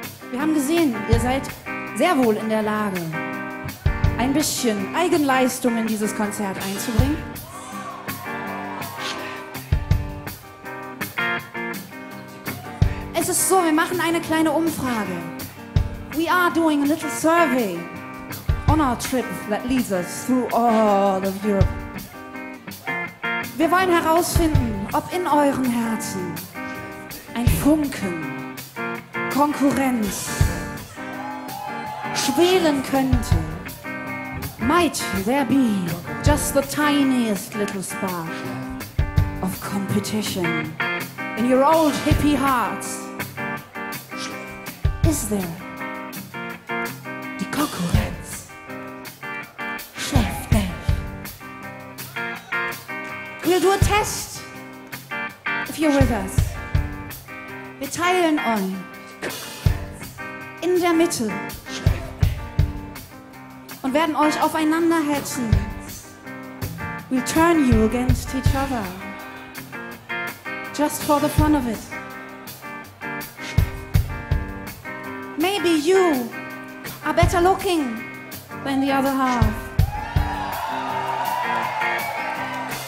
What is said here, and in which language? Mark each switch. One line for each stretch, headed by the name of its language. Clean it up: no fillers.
German: Wir haben gesehen, ihr seid sehr wohl in der Lage, ein bisschen Eigenleistung in dieses Konzert einzubringen. Es ist so, wir machen eine kleine Umfrage.
English: We are doing a little survey on our trip that leads us through all of Europe.
German: Wir wollen herausfinden, ob in euren Herzen ein Funken Konkurrenz schwelen könnte.
English: Might there be just the tiniest little spark of competition in your old hippie hearts? Is there
German: die Konkurrenz? Schläft denn?
English: We'll do a test if you're with us.
German: Wir teilen euch in der Mitte und werden euch aufeinander hetzen.
English: We'll turn you against each other just for the fun of it. Maybe you are better looking than the other half.